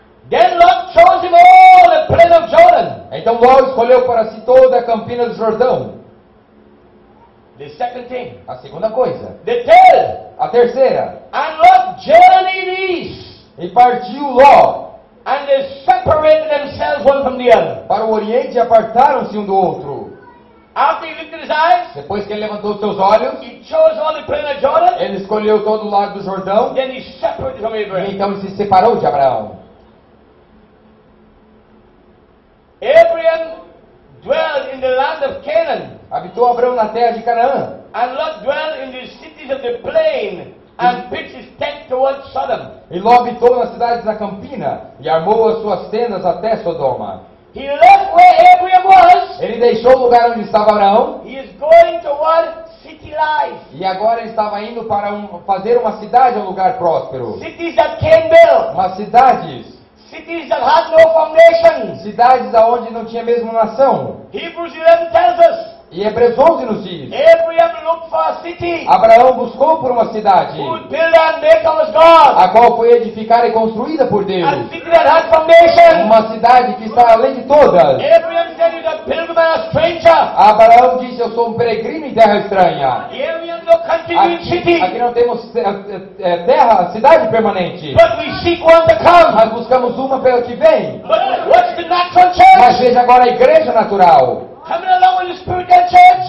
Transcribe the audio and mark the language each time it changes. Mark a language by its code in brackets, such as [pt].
[en] Then Lot chose him all the plain of Jordan. [pt] Então Ló escolheu para si toda a campina do Jordão. [en] The second thing. [pt] A segunda coisa. [en] The third. [pt] A terceira. [en] And Lot journeyed east. [pt] E partiu Ló. [en] And they separated themselves one from the other. [pt] Para o Oriente apartaram-se um do outro. [en] After he lifted his eyes, [pt] depois que ele levantou seus olhos, [en] he chose all the plain of Jordan. [pt] Ele escolheu todo o lado do Jordão. [en] Then he separated from Abraham. [pt] E então ele se separou de Abraão. [en] Abraham dwelt in the land of Canaan. [pt] Habitou Abraão na terra de Canaã. [en] And Lot dwelt in the cities of the plain and pitched his tent towards Sodom. [pt] E Ló habitou nas cidades da campina e armou as suas tendas até Sodoma. [en] He left where Abraham was. [pt] Ele deixou o lugar onde estava Abraão. [en] He is going toward city life. [pt] E agora ele estava indo para fazer uma cidade um lugar próspero. [en] Cities that can build. [pt] Uma cidade. [en] Cities that had no foundation. [pt] Cidades aonde não tinha mesmo nação. [en] Hebrews 11 tells us. [pt] E Hebreus 11 nos diz. [en] Abraham looked for a city. [pt] Abraão buscou por uma cidade. [en] Who would build and make was God. [pt] A qual foi edificada e construída por Deus. [en] A city that had foundation. [pt] Uma cidade que está além de todas. [en] Abraham said, "You're a pilgrim and a stranger." [pt] Abraão disse, "Eu sou um peregrino em terra estranha." Aqui não temos terra, cidade permanente. [en] But we seek one to come. [pt] Mas buscamos uma pela que vem. [en] But what's the natural church? [pt] Mas veja agora a igreja natural. [en] Coming along with the spiritual church.